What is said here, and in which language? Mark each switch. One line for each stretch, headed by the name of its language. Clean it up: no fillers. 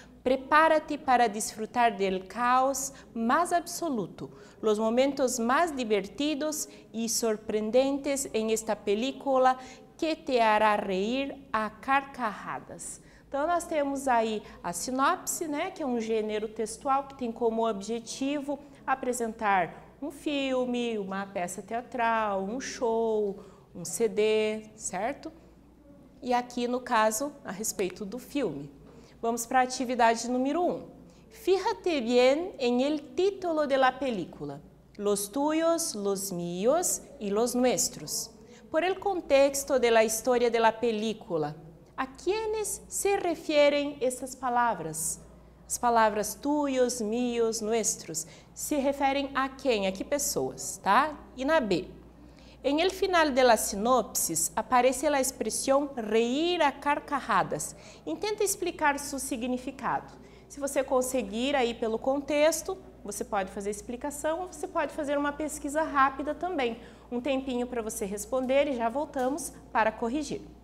Spanish: Prepárate para disfrutar del caos más absoluto. Los momentos más divertidos y sorprendentes en esta película que te hará reír a carcajadas.
Portuguese: Então, nós temos aí a sinopse, né, que é um gênero textual que tem como objetivo apresentar um filme, uma peça teatral, um show, um CD, certo? E aqui, no caso, a respeito do filme. Vamos para a atividade número 1.
Spanish: Fíjate bien en el título de la película. Los tuyos, los míos y los nuestros. Por el contexto de la historia de la película, a quienes se refieren
Portuguese: essas palavras? As palavras tuyos, míos, nuestros. Se referem a quem? A que pessoas, tá? E na B.
Spanish: En el final de la sinopsis aparece la expresión reír a carcajadas. Intenta explicar su significado.
Portuguese: Se você conseguir aí pelo contexto, você pode fazer explicação, você pode fazer uma pesquisa rápida também. Um tempinho para você responder e já voltamos para corrigir.